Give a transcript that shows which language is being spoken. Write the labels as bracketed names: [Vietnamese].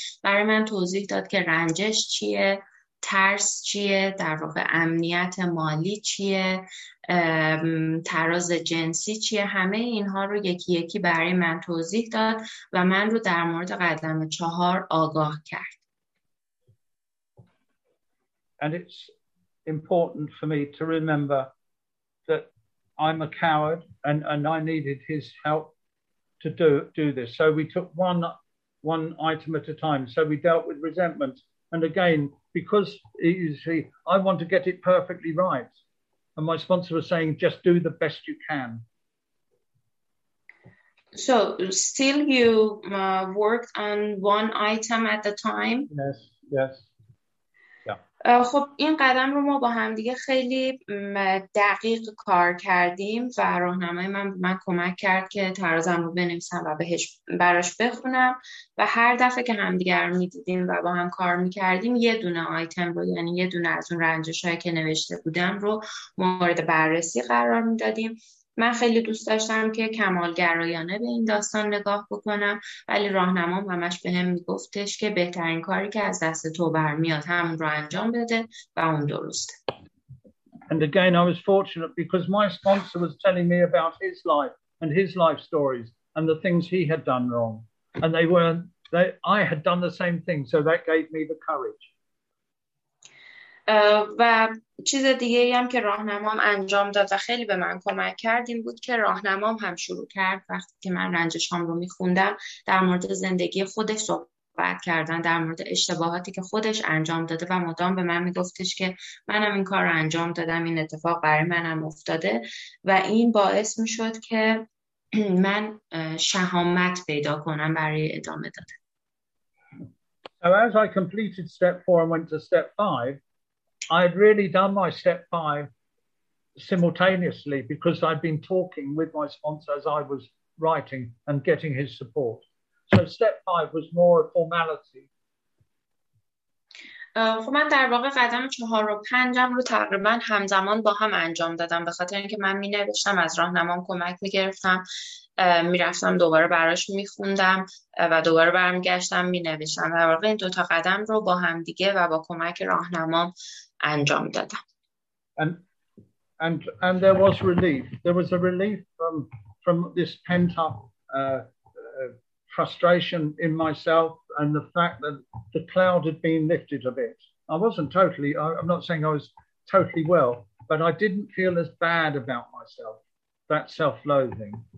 [Persian] برای من توضیح داد که رنجش چیه، ترس چیه، در واقع امنیت مالی چیه، تراز جنسی چیه، همه اینها رو یکی یکی برای من توضیح داد و من رو در مورد قدم 4 آگاه کرد. [English] And it's important for me to remember that I'm a coward and I needed his help to do this. So we took one item at a time. So we dealt with resentment. And again, because you see, I want to get it perfectly right. And my sponsor was saying, just do the best you can. So still you worked on one item at a time? Yes. Yeah. [Persian] خب این قدم رو ما با هم دیگه خیلی دقیق کار کردیم و راهنمای من کمک کرد که ترازم رو بنویسم و بهش براش بخونم و هر دفعه که همدیگر رو میدیدیم و با هم کار میکردیم یه دونه آیتم رو، یعنی یه دونه از اون رنجش هایی که نوشته بودم رو مورد بررسی قرار میدادیم. من خیلی دوست داشتم که کمالگرایانه به این داستان نگاه بکنم، ولی راهنمام همش به هم میگفتش که بهترین کاری که از دست تو برمیاد همون رو انجام بده و اون درسته. [English] And again, I was fortunate because my sponsor was telling me about his life and his life stories and the things he had done wrong. And they were, they, I had done the same thing, so that gave me the courage. [Persian] و چیز دیگه ای هم که راهنمام انجام داد و خیلی به من کمک کرد این بود که راهنمام هم شروع کرد وقتی که من رنجشام رو میخوندم در مورد زندگی خودش صحبت کردن، در مورد اشتباهاتی که خودش انجام داده و مدام به من میگفتش که منم این کار رو انجام دادم، این اتفاق برای منم افتاده و این باعث میشد که من شهامت پیدا کنم برای ادامه دادن. [English] As I completed step 4 and went to step 5, I'd really done my step 5 simultaneously because I'd been talking with my sponsor as I was writing and getting his support. So step 5 was more a formality. [Persian] خب من در واقع قدم 4 و 5 رو تقریبا همزمان با هم انجام دادم به خاطر اینکه من می نوشتم، از راهنمام کمک می گرفتم، می رفتم دوباره براش می خوندم و دوباره برمی گشتم می نوشتم. در واقع این دوتا قدم رو با هم دیگه و با کمک راهنمام انجام دادم. [English] And there was relief. There was a relief from this pent up frustration in myself and the fact that the cloud had been lifted a bit. I wasn't totally, I'm not saying I was totally well, but I didn't feel as bad about myself, that self-loathing.